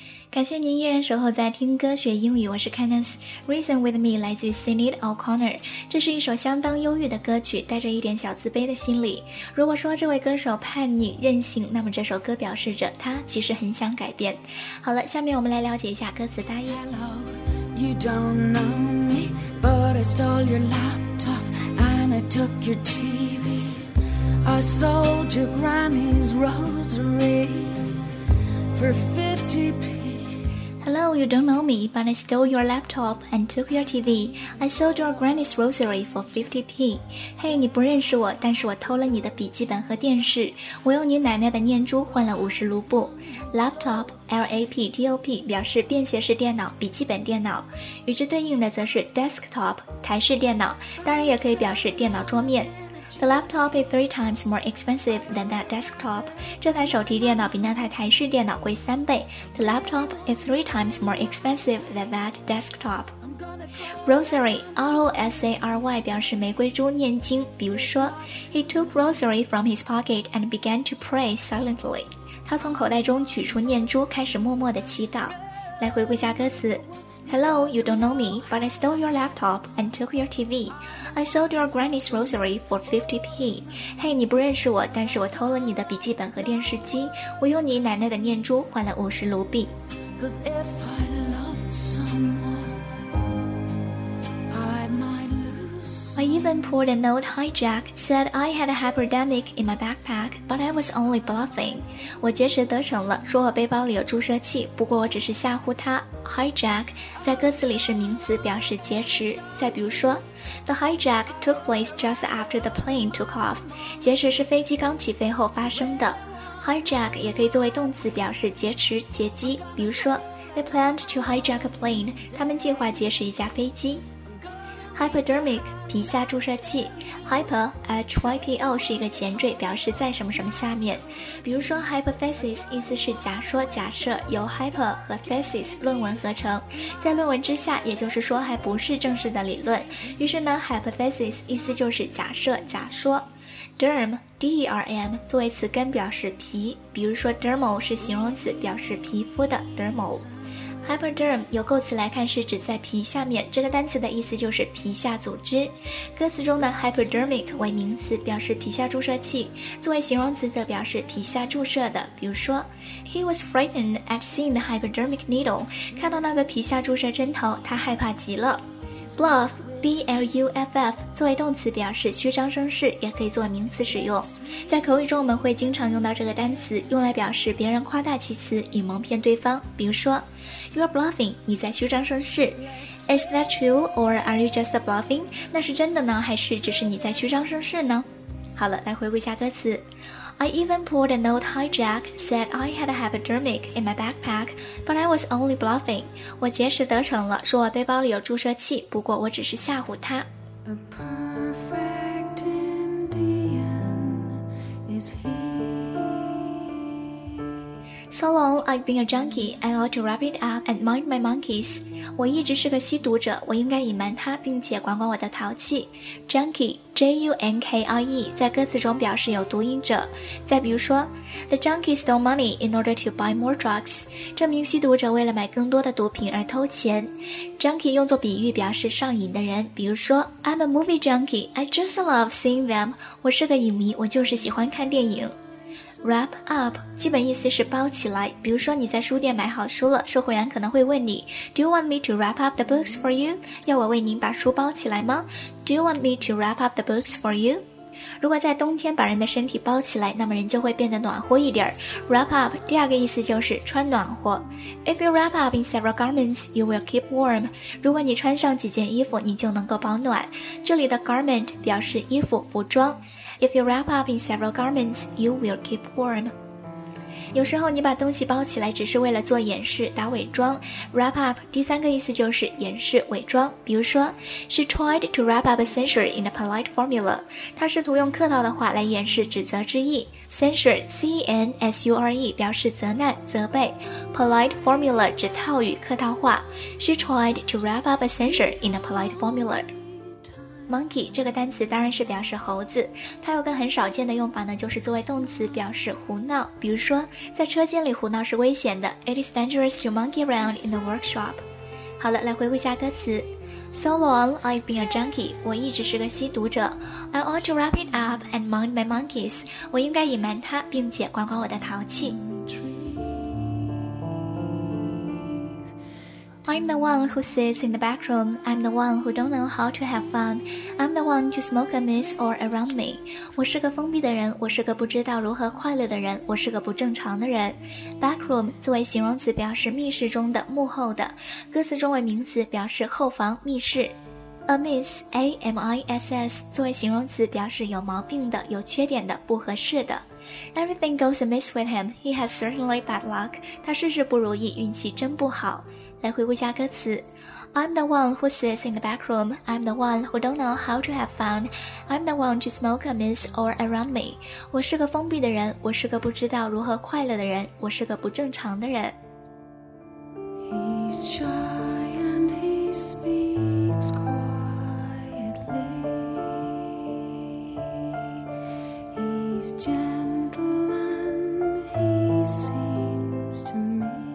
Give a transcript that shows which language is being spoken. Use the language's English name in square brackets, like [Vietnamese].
[Chinese] 感谢您依然守候在听歌学英语，我是 Candace。Reason With Me 来自于 Sinead O'Connor， 这是一首相当忧郁的歌曲，带着一点小自卑的心理。如果说这位歌手叛逆任性，那么这首歌表示着他其实很想改变。好了，下面我们来了解一下歌词大意。 [English] Hello, you don't know me, but I stole your laptop and I took your TV. I sold your granny's rosary for 50p. Hello, you don't know me, but I stole your laptop and took your TV. I sold your granny's rosary for 50p. [Chinese] Hey, 你不认识我，但是我偷了你的笔记本和电视。我用你奶奶的念珠换了50卢布。Laptop, L-A-P-T-O-P, 表示便携式电脑、笔记本电脑。与之对应的则是 desktop, 台式电脑，当然也可以表示电脑桌面。 [English] The laptop is 3 times more expensive than that desktop. [Chinese] 这台手提电脑比那台台式电脑贵三倍。 [English] The laptop is 3 times more expensive than that desktop. [Chinese] Rosary, R-O-S-A-R-Y, 表示玫瑰珠、念经。比如说 [English] ,He took rosary from his pocket and began to pray silently. [Chinese] 他从口袋中取出念珠，开始默默地祈祷。来回顾一下歌词。 [English] Hello, you don't know me, but I stole your laptop and took your TV. I sold your granny's rosary for 50p. [Chinese] Hey, 你不认识我，但是我偷了你的笔记本和电视机。我用你奶奶的念珠换了50卢币。 [English] Cause if I loved someone, I might lose someone. I even even pulled an old hijack, said I had a hypodermic in my backpack, but I was only bluffing. [Chinese] 我结识得逞了，说我背包里有注射器，不过我只是吓唬他。 Hijack 在歌词里是名词，表示劫持。再比如说 [English] ，The hijack took place just after the plane took off. [Chinese] 劫持是飞机刚起飞后发生的。Hijack 也可以作为动词，表示劫持、劫机。比如说 [English] ，They planned to hijack a plane. [Chinese] 他们计划劫持一架飞机。Hypodermic 皮下注射器 ，hyper hypo 是一个前缀，表示在什么什么下面。比如说 hypothesis 意思是假说、假设，由 hyper 和 thesis 论文合成，在论文之下，也就是说还不是正式的理论。于是呢 ，hypothesis 意思就是假设、假说。 Derm d e r m 作为词根表示皮，比如说 dermal 是形容词，表示皮肤的 dermal。 Hypoderm 由构词来看是指在皮下面，这个单词的意思就是皮下组织。歌词中的 hypodermic 为名词，表示皮下注射器，作为形容词则表示皮下注射的。比如说 [English] He was frightened at seeing the hypodermic needle. [Chinese] 看到那个皮下注射针头，他害怕极了。Bluff B-L-U-F-F 作为动词表示虚张声势，也可以作为名词使用。在口语中我们会经常用到这个单词，用来表示别人夸大其词以蒙骗对方。比如说 [English] You're bluffing, [Chinese] 你在虚张声势。 [English] Is that true or are you just bluffing? [Chinese] 那是真的呢，还是只是你在虚张声势呢？好了，来回顾一下歌词。 [English] I even pulled an old hijack, said I had a hypodermic in my backpack, but I was only bluffing. [Chinese] 我结识得逞了，说我背包里有注射器，不过我只是吓唬他。 [English] A perfect Indian is he. So long I've been a junkie, I ought to wrap it up and mind my monkeys. [Chinese] 我一直是个吸毒者，我应该隐瞒他，并且管管我的淘气。 [English] Junkie. [Chinese] J-U-N-K-I-E 在歌词中表示有毒瘾者。再比如说 [English] The junkie stole money in order to buy more drugs. [Chinese] 这名吸毒者为了买更多的毒品而偷钱。Junkie 用作比喻表示上瘾的人。比如说 [English] I'm a movie junkie. I just love seeing them. [Chinese] 我是个影迷，我就是喜欢看电影。Wrap up 基本意思是包起来，比如说你在书店买好书了，售货员可能会问你 [English] Do you want me to wrap up the books for you? [Chinese] 要我为您把书包起来吗？ [English] Do you want me to wrap up the books for you? [Chinese] 如果在冬天把人的身体包起来，那么人就会变得暖和一点。 Wrap up 第二个意思就是穿暖和。 [English] If you wrap up in several garments, you will keep warm. [Chinese] 如果你穿上几件衣服，你就能够保暖。这里的 garment 表示衣服、服装。 [English] If you wrap up in several garments, you will keep warm. [Chinese] 有时候你把东西包起来只是为了做掩饰、打伪装。 Wrap up 第三个意思就是掩饰、伪装。比如说 [English] She tried to wrap up a censure in a polite formula. [Chinese] 她试图用客套的话来掩饰指责之意。Censure, C-E-N-S-U-R-E 表示责难、责备。 Polite formula 指套语、客套话。 [English] She tried to wrap up a censure in a polite formula. [Chinese] Monkey 这个单词当然是表示猴子，它有个很少见的用法呢，就是作为动词表示胡闹。比如说，在车间里胡闹是危险的 ， [English] It is dangerous to monkey around in the workshop。 [Chinese] 好了，来回顾一下歌词 ： [English] So long, I've been a junkie， [Chinese] 我一直是个吸毒者 ； [English] I ought to wrap it up and mind my monkeys， [Chinese] 我应该隐瞒它，并且管管我的淘气。 [English] I'm the one who sits in the back room. I'm the one who don't know how to have fun. I'm the one to smoke a mist or around me. [Chinese] 我是个封闭的人，我是个不知道如何快乐的人，我是个不正常的人。 Back room 作为形容词表示密室中的、幕后的，歌词中为名词表示后房、密室。 A miss, A-M-I-S-S 作为形容词表示有毛病的、有缺点的、不合适的。 [English] Everything goes amiss with him. He has certainly bad luck. [Chinese] 他事事不如意，运气真不好。 [English] 来回顾一下歌词 I'm the one who sits in the back room I'm the one who don't know how to have fun I'm the one to smoke a mist or around me [Chinese] 我是个封闭的人我是个不知道如何快乐的人我是个不正常的人 [English] He's shy and he speaks quietly He's gentle and he seems to me